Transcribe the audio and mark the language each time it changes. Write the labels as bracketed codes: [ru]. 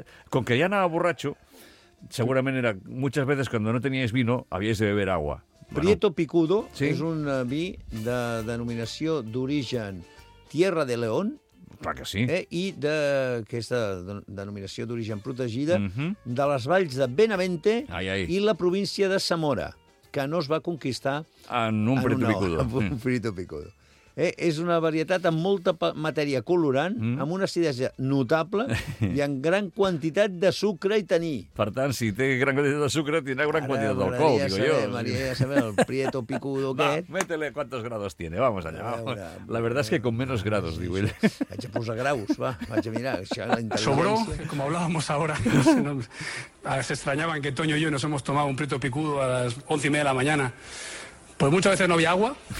[ca] Com que ja anava borratxo, segurament era, [es] muchas veces, cuando no teníais vino, habíais de beber agua. [ca] Bueno, Prieto Picudo, sí? És un vi de denominació d'origen Tierra de León, que sí. I d'aquesta denominació d'origen protegida, de les valls de Benavente, ai, ai, i la província de Zamora, que no es va conquistar en un Prieto Picudo. És una varietat amb molta matèria colorant, amb una acidesa notable i amb gran quantitat de sucre i taní. Per tant, si té gran quantitat de sucre, tindrà gran quantitat d'alcohol, digo saber, jo. Maria, ja sabem, el Prieto Picudo aquest. Va, [es] métele quantos grados tiene, vamos allá. Veure, la verdad es que con menos grados, [ca] digo ell. Vaig a posar graus, va, vaig a mirar. [es] Sobró, como hablábamos ahora. Se extrañaban que Toño y yo nos hemos tomado un Prieto Picudo a las 11:30 de la mañana. Pues muchas veces no había agua.